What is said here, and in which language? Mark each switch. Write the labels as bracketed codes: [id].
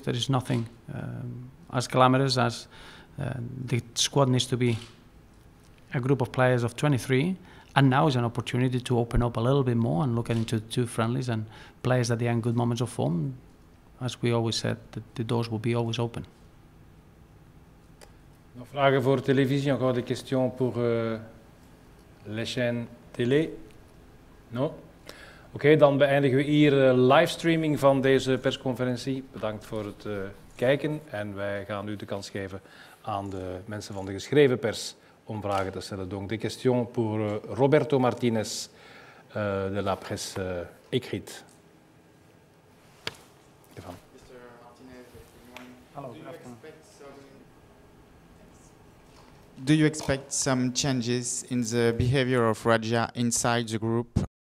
[en] There is nothing as glamorous as the squad needs to be a group of players of 23. And now is an opportunity to open up a little bit more and look into two friendlies and players that they are in good moments of form. As we always said, the doors will be always open. [nl] Nog vragen voor televisie? [fr] Encore des questions pour les chaînes télé? No? [nl] Oké, dan beëindigen we hier livestreaming van deze persconferentie. Bedankt voor het kijken. En wij gaan nu de kans geven aan de mensen van de geschreven pers om vragen te stellen. [fr] Donc, des questions pour Roberto Martinez de la presse écrite. [en] Mr. Martinez, do you expect some changes in the behavior of Raja inside the group